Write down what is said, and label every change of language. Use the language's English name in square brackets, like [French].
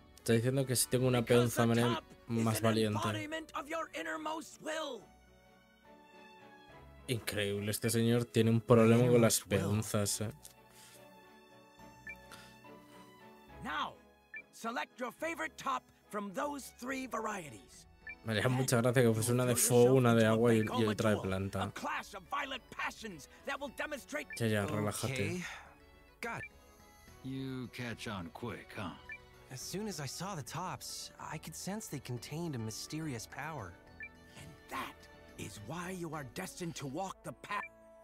[Spanish] Está diciendo que si tengo una peonza me haré más valiente. [English] Embodiment of your innermost will. [Spanish] Increíble, este señor tiene un problema con las peonzas, ¿eh? [English] Now, select your favorite top from those three varieties. [Spanish] Me haría mucha gracia que fuese una de fuego, una de agua y otra de planta. [English] A clash of violent passions that will demonstrate... [Spanish] Ya, relájate. [English] Okay. Got it. You catch on quick, huh? As soon as I saw the tops, I could sense they contained a mysterious power. And that is why you are destined to walk the path.